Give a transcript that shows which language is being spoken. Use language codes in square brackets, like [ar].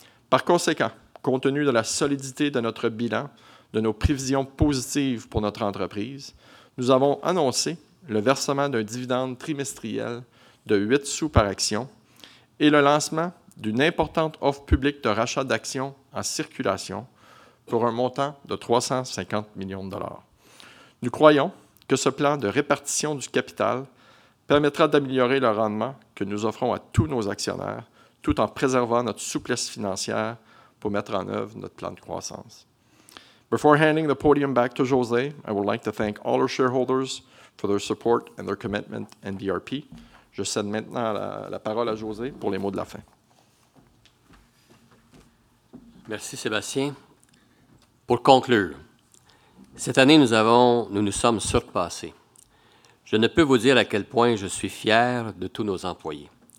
[fr] Par conséquent, compte tenu de la solidité de notre bilan, de nos prévisions positives pour notre entreprise, nous avons annoncé le versement d'un dividende trimestriel de 8 sous par action et le lancement d'une importante offre publique de rachat d'actions en circulation pour un montant de 350 millions de dollars. Nous croyons que ce plan de répartition du capital permettra d'améliorer le rendement que nous offrons à tous nos actionnaires, tout en préservant notre souplesse financière pour mettre en œuvre notre plan de croissance. [en] Before handing the podium back to José, I would like to thank all our shareholders for their support and their commitment in BRP. [fr] Je cède maintenant la parole à José pour les mots de la fin. Merci, Sébastien. Pour conclure, cette année, nous sommes surpassés. Je ne peux vous dire à quel point je suis fier de tous nos employés.